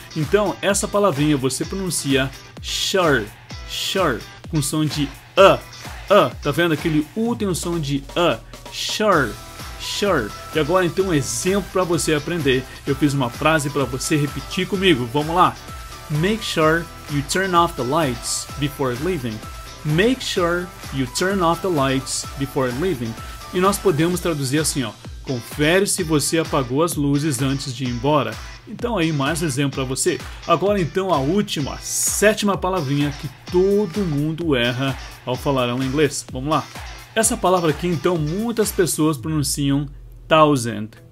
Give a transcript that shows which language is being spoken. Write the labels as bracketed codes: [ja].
[pt] Então, essa palavrinha você pronuncia shore, shore, com som de a, a, tá vendo? Aquele U tem um som de a, shore, shore. E agora então, um exemplo para você aprender, eu fiz uma frase para você repetir comigo, vamos lá. [en] Make sure you turn off the lights before leaving. Make sure you turn off the lights before leaving. [pt] E nós podemos traduzir assim, ó. Confere se você apagou as luzes antes de ir embora. Então aí, mais um exemplo para você. Agora então, a última, a sétima palavrinha que todo mundo erra ao falar em inglês. Vamos lá. Essa palavra aqui, então, muitas pessoas pronunciam thousand.